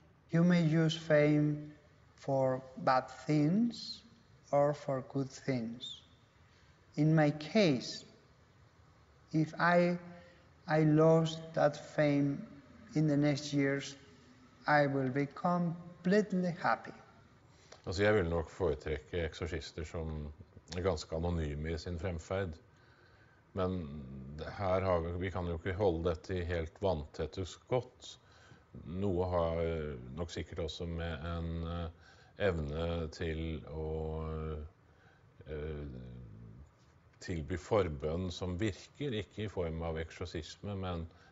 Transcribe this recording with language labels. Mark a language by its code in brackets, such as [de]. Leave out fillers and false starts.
[en] You may use fame for bad things or for good things. In my case, if I lose that fame in the next years, I will be completely happy. [sv] Alltså jag vill nog föredra exorcister som är ganska anonyma i sin framfärd. Men här har vi kan ju inte hålla det till helt vanntätt skott. [no] Noe har nok sikkert også med en evne til å tilby forbønn som virker, ikke i form av eksorsisme, men